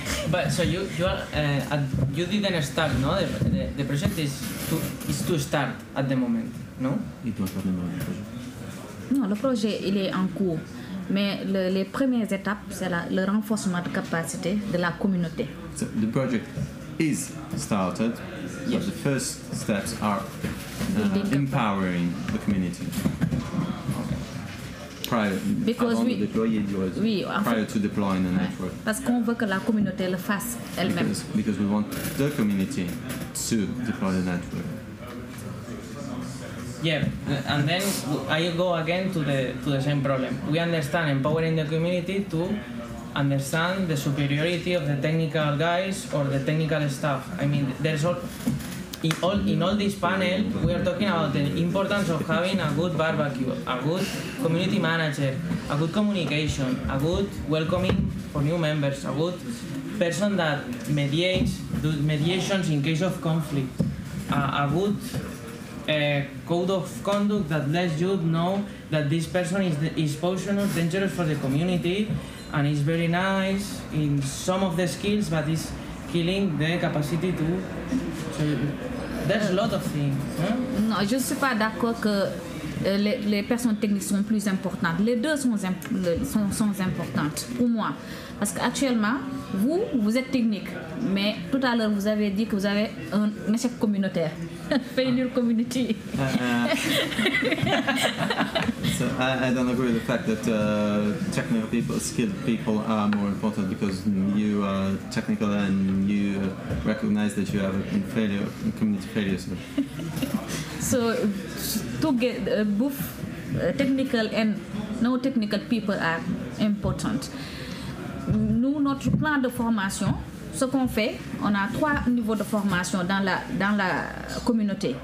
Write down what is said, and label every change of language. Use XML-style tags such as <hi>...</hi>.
<en>But so you didn't start, no? The project is to start at the moment, no? It was at the moment.</en> <fr>Non, le projet, il est en cours. Mais les premières étapes, c'est le renforcement de capacité de la communauté.</fr> <en>So the project is started, but yes. The first steps are empowering the community. Prior to deploying the network.</en> <fr>Parce qu'on veut que la communauté le fasse elle-même.</fr> <en>Because we want the community to deploy the network. Yeah, and then I go again to the same problem. We understand empowering the community to understand the superiority of the technical guys or the technical staff. I mean, there's all this panel, we are talking about the importance of having a good barbecue, a good community manager, a good communication, a good welcoming for new members, a good person that mediates in case of conflict, a good code of conduct that lets you know that this person is potentially dangerous for the community and is very nice in some of the skills, but is killing the capacity to. So there's a lot of things.</en> <fr>No, je ne suis pas d'accord que les personnes techniques sont plus importantes. Les deux sont importantes pour moi. Parce qu'actuellement, vous êtes technique, mais tout à l'heure, vous avez dit que vous avez un échec communautaire.</fr> <en>Failure community. So I don't agree with the fact that technical people, skilled people are more important because you are technical and you recognize that you have a failure, community failure. So, so to get both technical and non-technical people are important.</en> <fr>Nous, notre plan de formation, ce qu'on fait, on a trois niveaux de formation dans la communauté.</fr>